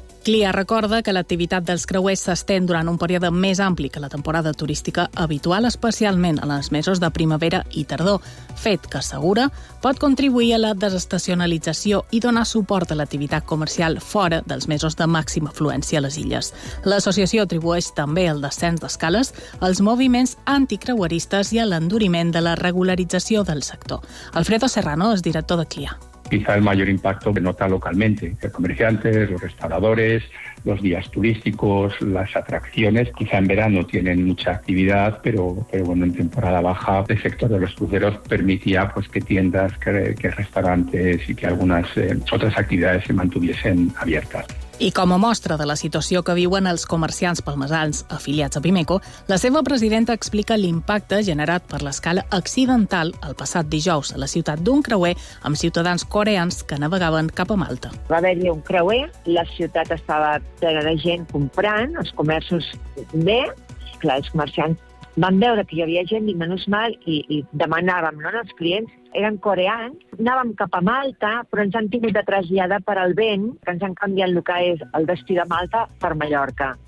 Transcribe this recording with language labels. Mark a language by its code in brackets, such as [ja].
[ca] CLIA recorda que l'activitat dels creuers s'estén durant un període més ampli que la temporada turística habitual, especialment en els mesos de primavera i tardor, fet que, assegura, pot contribuir a la desestacionalització i donar suport a l'activitat comercial fora dels mesos de màxima afluència a les illes. L'associació atribueix també el descens d'escales als moviments anticreueristes i a l'enduriment de la regularització del sector. Alfredo Serrano és director de CLIA. [es] quizá el mayor impacto que nota localmente. Los comerciantes, los restauradores, los días turísticos, las atracciones. Quizá en verano tienen mucha actividad, pero bueno, en temporada baja el sector de los cruceros permitía pues que tiendas, que restaurantes y que algunas otras actividades se mantuviesen abiertas. [ca] I com a mostra de la situació que viuen els comerciants palmesans afiliats a Pimeco, la seva presidenta explica l'impacte generat per l'escala accidental el passat dijous a la ciutat d'un creuer amb ciutadans coreans que navegaven cap a Malta. Va haver-hi un creuer, la ciutat estava plena de gent comprant, els comerços bé, clar, els comerciants van veure que hi havia gent i menys mal i demanàvem, no, als clients, eren coreans, anàvem cap a Malta, però ens han tingut de traslladar per al vent, que ens han canviat el que és el destí de Malta per Mallorca.